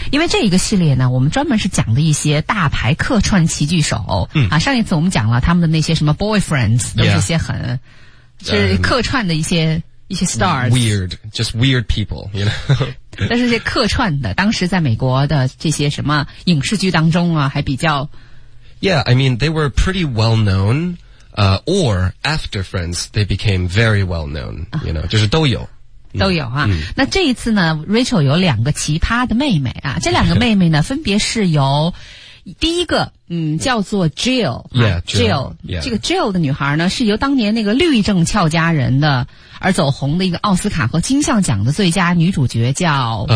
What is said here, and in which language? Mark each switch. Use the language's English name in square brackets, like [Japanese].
[Chinese] 因为这一个系列呢，我们专门是讲的一些大牌客串奇剧手。啊，上一次我们讲了他们的那些什么 boyfriends。一些很是客串的一些 stars, [English] weird, just weird people, you know. [Chinese] 但是这客串的，当时在美国的这些什么影视剧当中啊，还比较。 [English] Yeah, I mean, they were pretty well known, or after Friends, they became very well known, you know, [Chinese] 就是都有。都有啊。那这一次呢 ，Rachel 有两个奇葩的妹妹啊，这两个妹妹呢，分别是由。第一个叫做 Jill, [English] yeah, Jill, Jill, yeah. [Chinese] 这个 Jill 的女孩呢是由当年那个律政俏佳人的而走红的一个奥斯卡和金像奖的最佳女主角叫